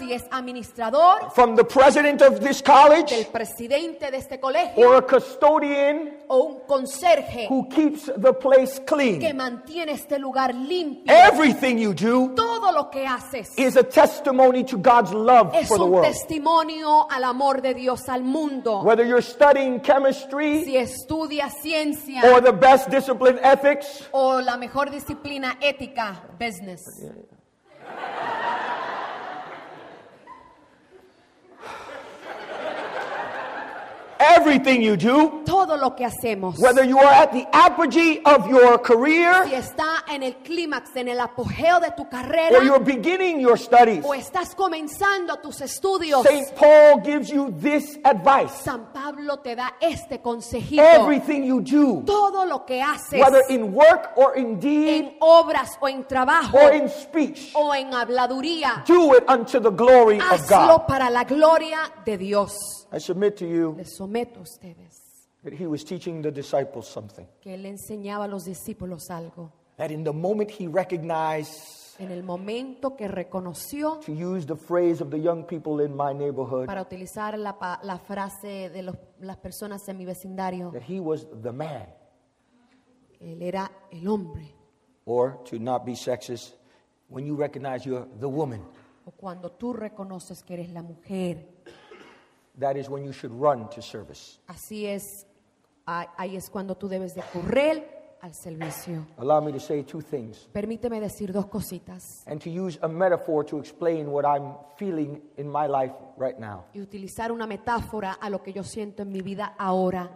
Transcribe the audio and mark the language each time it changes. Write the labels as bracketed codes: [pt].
[es] Si es administrador. [en] From the president of this college. [es] Del presidente de este colegio. [en] Or a custodian. [es] O un conserje, [en] who keeps the place clean. [es] Que mantiene este lugar limpio. [en] Everything you do, [es] todo lo que haces, [en] is a testimony to God's love for the world. [es] Es un testimonio al amor de Dios al mundo. [en] Whether you're studying chemistry, [es] si estudias ciencia, [en] or the best discipline ethics, [es] o la mejor disciplina ética, business. [en] Yeah. Everything you do, [es] todo lo que hacemos, [en] whether you are at the apogee of your career, [es] si está en el clímax, en el apogeo de tu carrera, [en] or you're beginning your studies, [es] o estás comenzando tus estudios, [en] St. Paul gives you this advice. [es] San Pablo te da este consejito. [en] Everything you do, [es] todo lo que haces, [en] whether in work or in deed, [es] en obras o en trabajo, [en] or in speech, [es] o en habladuría, [en] do it unto the glory of God. [es] Hazlo para la gloria de Dios. [en] I submit to you that he was teaching the disciples something. [es] Que él enseñaba a los discípulos algo. [en] That in the moment he recognized, [es] en el momento que reconoció, [en] to use the phrase of the young people in my neighborhood, [es] para utilizar la frase de las personas en mi vecindario, [en] that he was the man. [es] Él era el hombre. [en] Or to not be sexist, when you recognize you're the woman. [es] O cuando tú reconoces que eres la mujer. [en] That is when you should run to service. [es] Así es, ahí es cuando tú debes de correr al servicio. [en] Allow me to say two things. [es] Permíteme decir dos cositas. [en] And to use a metaphor to explain what I'm feeling in my life right now. [es] Y utilizar una metáfora a lo que yo siento en mi vida ahora.